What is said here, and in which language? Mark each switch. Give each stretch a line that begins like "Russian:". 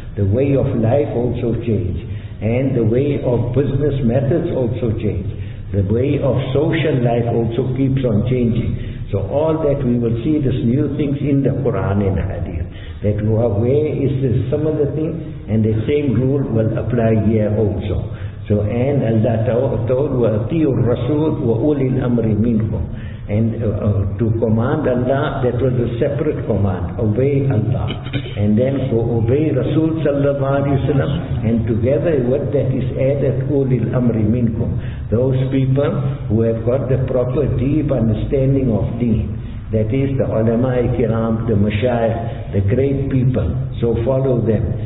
English: The way of life also change. And the way of business methods also change. The way of social life also keeps on changing. So all that we will see, this new things in the Quran and Hadith. That where is this similar thing, and the same rule will apply here also. So, and Allah told,
Arabic: وَأَطِيُوا الرَّسُولُ وَأُولِي الْأَمْرِ مِنْكُمْ.
English: And to command Allah, that was a separate command, obey Allah. And then to obey Rasul sallallahu alayhi wa sallam, and together with that is added, Ulil Amri Minkum. Those people who have got the proper deep understanding of deen, that is the ulama-i kiram, the mashayikh, the great people, so follow them.